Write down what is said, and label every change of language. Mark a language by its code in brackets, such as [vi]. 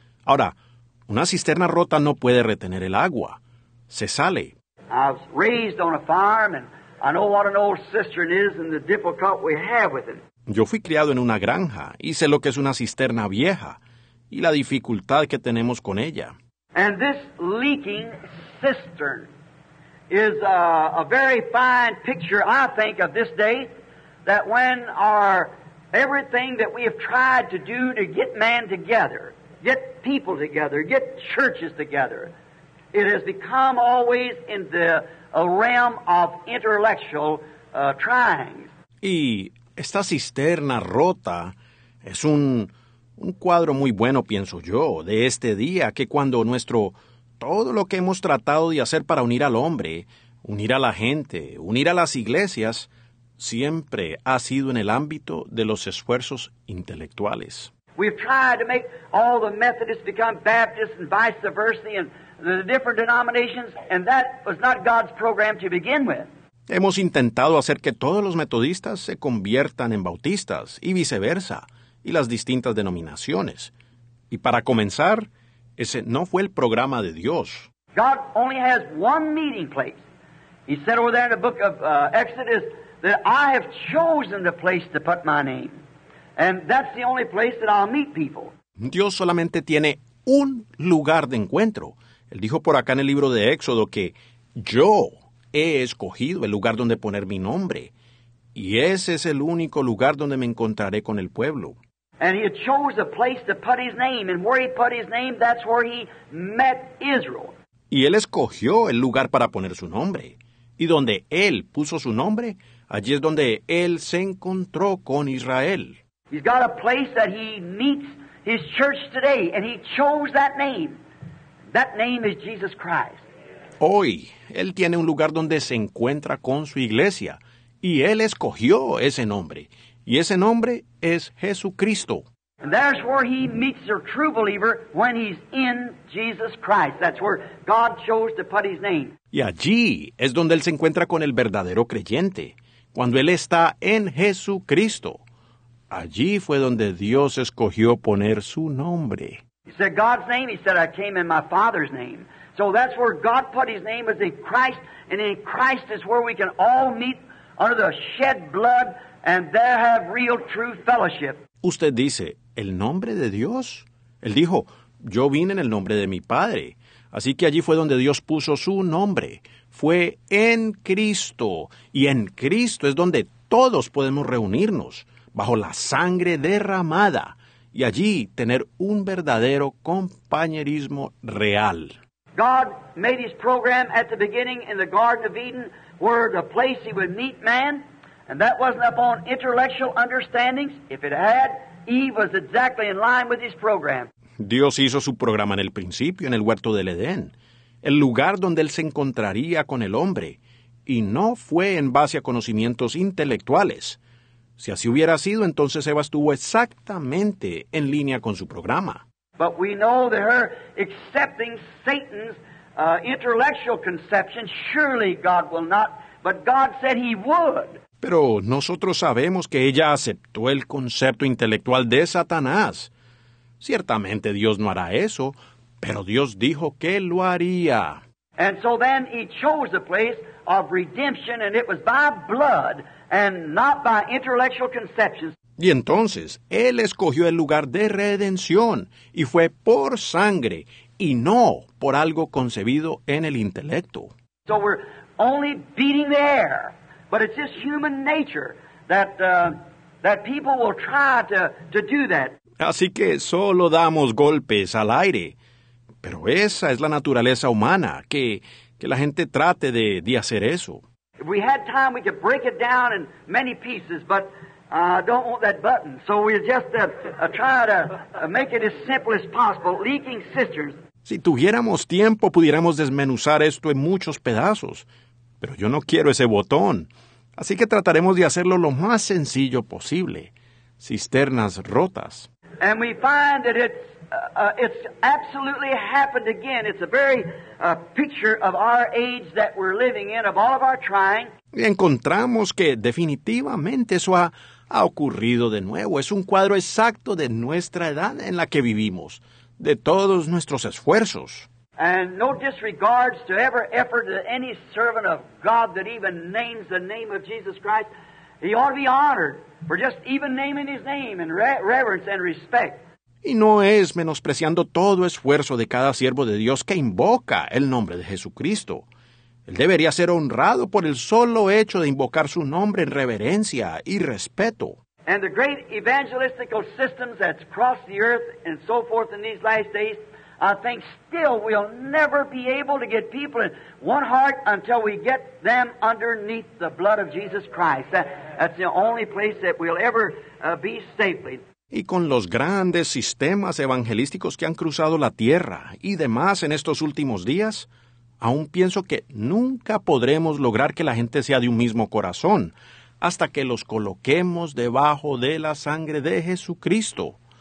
[es] Ahora, una cisterna rota no puede retener el agua. Se sale. [en] I was raised on a farm and I know what an old cistern is and the difficulty we have with it. [es] Yo fui criado en una granja y sé lo que es una cisterna vieja y la dificultad que tenemos con ella. [en] And this leaking cistern is a very fine picture, I think, of this day, that when everything that we have tried to do to get man together, get people together, get churches together, it has become always in the realm of intellectual trying. [es] Y esta cisterna rota es un cuadro muy bueno, pienso yo, de este día, que cuando todo lo que hemos tratado de hacer para unir al hombre, unir a la gente, unir a las iglesias, siempre ha sido en el ámbito de los esfuerzos intelectuales. [en] We've tried to make all the Methodists become Baptists and vice versa and the different denominations, and that was not God's program to begin with. [es] Hemos intentado hacer que todos los metodistas se conviertan en bautistas y viceversa, y las distintas denominaciones. Y para comenzar, ese no fue el programa de Dios. [en] God only has one meeting place. He said over there in the book of Exodus that I have chosen the place to put my name. And that's the only place that I'll meet people. [es] Dios solamente tiene un lugar de encuentro. Él dijo por acá en el libro de Éxodo que yo he escogido el lugar donde poner mi nombre. Y ese es el único lugar donde me encontraré con el pueblo. [en] And he had chose a place to put his name, and where he put his name, that's where he met Israel. [es] Y él escogió el lugar para poner su nombre. Y donde él puso su nombre, allí es donde él se encontró con Israel. [en] He's got a place that he meets his church today, and he chose that name. That name is Jesus Christ. [es] Hoy, él tiene un lugar donde se encuentra con su iglesia, y él escogió ese nombre. Y ese nombre es Jesucristo. [en] And that's where he meets a true believer when he's in Jesus Christ. That's where God chose to put his name. [es] Y allí es donde él se encuentra con el verdadero creyente, cuando él está en Jesucristo. Allí fue donde Dios escogió poner su nombre. [en] He said God's name. He said I came in my Father's name. So that's where God put his name is in Christ, and in Christ is where we can all meet under the shed blood. And there have real true fellowship. [es] Usted dice, ¿el nombre de Dios? Él dijo, yo vine en el nombre de mi Padre. Así que allí fue donde Dios puso su nombre. Fue en Cristo. Y en Cristo es donde todos podemos reunirnos, bajo la sangre derramada, y allí tener un verdadero compañerismo real. [en] God made his program at the beginning in the Garden of Eden, where the place he would meet man. And that wasn't upon intellectual understandings. If it had, Eve was exactly in line with his program. [es] Dios hizo su programa en el principio, en el huerto del Edén, el lugar donde él se encontraría con el hombre, y no fue en base a conocimientos intelectuales. Si así hubiera sido, entonces Eva estuvo exactamente en línea con su programa. [en] But we know that her accepting Satan's intellectual conception, surely God will not, but God said he would. [es] Pero nosotros sabemos que ella aceptó el concepto intelectual de Satanás. Ciertamente Dios no hará eso, pero Dios dijo que lo haría. [en] And so then he chose a place of redemption, and it was by blood and not by intellectual conceptions. [es] Y entonces él escogió el lugar de redención y fue por sangre y no por algo concebido en el intelecto. [en] So we're only beating the air. But it's just human nature that that people will try to do that. [es] Así que solo damos golpes al aire. Pero esa es la naturaleza humana, que la gente trate de hacer eso. [en] If we had time, we could break it down in many pieces, but I don't want that button. So we'll just try to make it as simple as possible. Leaking cisterns. [es] Si tuviéramos tiempo, pudiéramos desmenuzar esto en muchos pedazos. Pero yo no quiero ese botón. Así que trataremos de hacerlo lo más sencillo posible. Cisternas rotas. [en] And we find that it's It's absolutely happened again. It's a very picture of our age that we're living in, of all of our trying. [es] Y encontramos que definitivamente eso ha ocurrido de nuevo. Es un cuadro exacto de nuestra edad en la que vivimos, de todos nuestros esfuerzos. [en] And no disregards to every effort that any servant of God that even names the name of Jesus Christ, he ought to be honored for just even naming his name in reverence and respect. [es] Y no es menospreciando todo esfuerzo de cada siervo de Dios que invoca el nombre de Jesucristo. Él debería ser honrado por el solo hecho de invocar su nombre en reverencia y respeto. [en] And the great evangelistical systems that's crossed the earth and so forth in these last days, I think still we'll never be able to get people in one heart until we get them underneath the blood of Jesus Christ. That's the only place that we'll ever be safely. [es] Y con los grandes sistemas evangelísticos que han cruzado la tierra y demás en estos últimos días, aún pienso que nunca podremos lograr que la gente sea de un mismo corazón hasta que los coloquemos debajo de la sangre de Jesucristo.